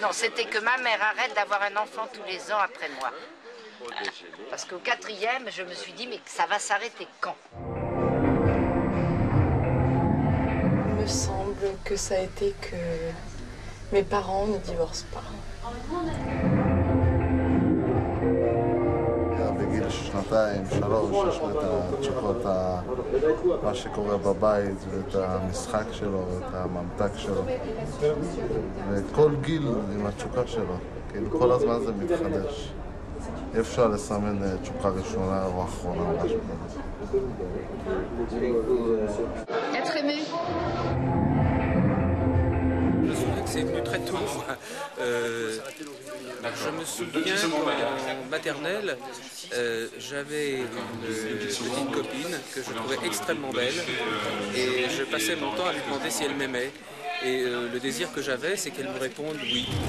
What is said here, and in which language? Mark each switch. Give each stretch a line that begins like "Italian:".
French: Non, c'était que ma mère arrête d'avoir un enfant tous les ans après moi. Parce qu'au quatrième, je me suis dit, mais ça va s'arrêter quand? Il me semble que ça a été que mes parents ne divorcent pas.
Hebrew: בגיל שנתיים, שלוש, יש לי את התשוקות, מה שקורה בבית ואת המשחק שלו ואת הממתק שלו. וכל גיל עם התשוקה שלו, כאילו כל הזמן זה מתחדש. אי אפשר לסמן תשוקה ראשונה או אחרונה, משהו כזה.
French: C'est venu très tôt. Je me souviens qu'en maternelle, j'avais une petite copine que je trouvais extrêmement belle et je passais mon temps à lui demander si elle m'aimait. Et le désir que j'avais, c'est qu'elle me réponde oui.